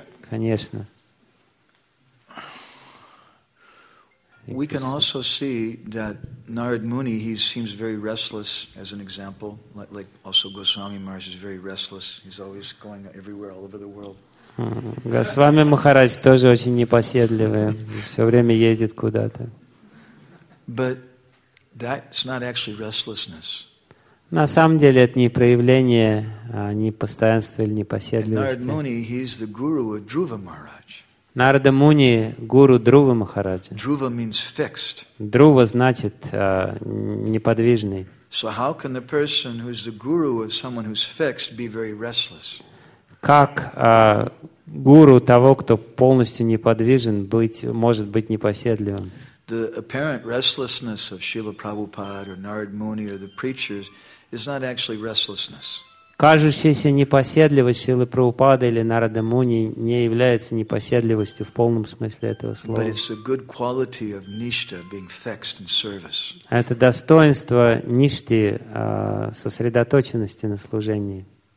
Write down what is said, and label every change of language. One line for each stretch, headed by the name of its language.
Russian: Конечно.
English: We can also see that Narad Muni, he seems very restless as an example, like also Goswami Maharaj is very restless. He's always going everywhere, all over the world.
Russian: Госвами Махарадж тоже очень непоседливый, все время ездит куда-то.
English: But that's not actually restlessness.
Russian: На самом деле это не проявление непостоянства или непоседливости.
English: Narad Muni, he's the guru of Dhruva Maharaj.
Russian: Нарада Муни – гуру Друвы Махараджа.
English: Друва means fixed.
Russian: Друва значит неподвижный.
English: So how can the person who's the guru of someone who's fixed be very restless?
Russian: Как гуру того, кто полностью неподвижен, может быть непоседливым?
English: The apparent restlessness of Srila Prabhupada or Narad Muni or the preachers is not actually restlessness.
Russian: Кажущаяся непоседливость Силы Прабхупады или Нарада Муни не является непоседливостью в полном смысле этого слова. Это достоинство ништи, сосредоточенности на служении.